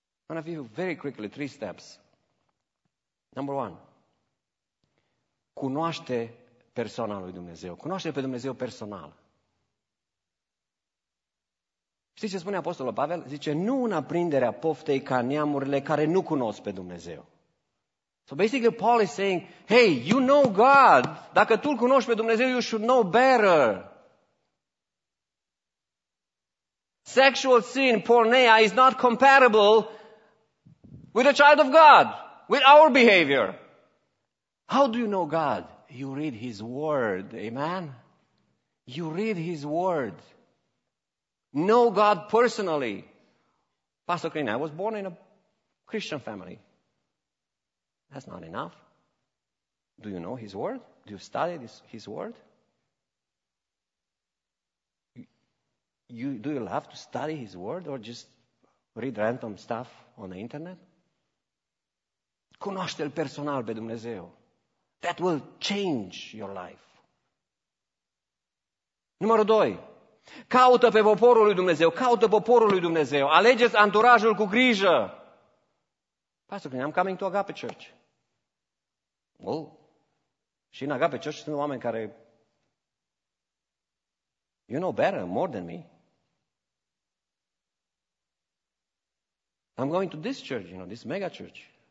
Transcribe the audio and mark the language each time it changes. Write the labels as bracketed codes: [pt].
[en] I'm going to give you very quickly three steps. Number one, [ro] cunoaște persoana lui Dumnezeu. Cunoaște pe Dumnezeu personal. Știi ce spune Apostolul Pavel? Zice, nu în aprinderea poftei ca neamurile care nu cunosc pe Dumnezeu. [en] So basically Paul is saying, hey, you know God. [ro] Dacă tu-L cunoști pe Dumnezeu, [en] you should know better. Sexual sin, porneia, is not comparable with a child of God, with our behavior. How do you know God? You read His word, amen? You read His word. Know God personally. Pastor Crenie, I was born in a Christian family. That's not enough. Do you know His word? Do you study His word? Do you love to study His word or just read random stuff on the internet? [ro] Cunoaște-L personal pe Dumnezeu. [en] That will change your life. [ro] Numărul 2. Caută pe poporul lui Dumnezeu. Caută poporul lui Dumnezeu. Alegeți anturajul cu grijă. [en] Pastor Crane, I'm coming to Agape Church. Oh. [ro] Și în Agape Church sunt oameni care, [en] you know better, more than me. I'm going to this church, you know, this mega church.